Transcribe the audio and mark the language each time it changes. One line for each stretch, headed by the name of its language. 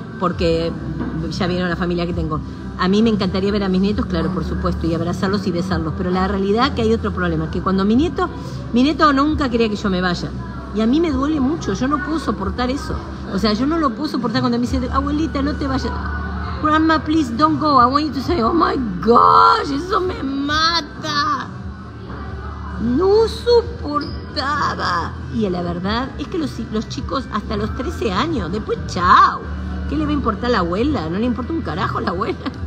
Spanish: Porque ya vieron la familia que tengo. A mí me encantaría ver a mis nietos, claro, por supuesto, y abrazarlos y besarlos. Pero la realidad es que hay otro problema, que cuando mi nieto nunca quería que yo me vaya. Y a mí me duele mucho, yo no puedo soportar eso. O sea, yo no lo puedo soportar cuando me dice, abuelita, no te vayas.
English: Grandma, please don't go. I want you to say, oh my gosh,
Spanish: eso me mata. No soportaba. Y la verdad es que los chicos hasta los 13 años, después chao. ¿Qué le va a importar a la abuela? No le importa un carajo a la abuela.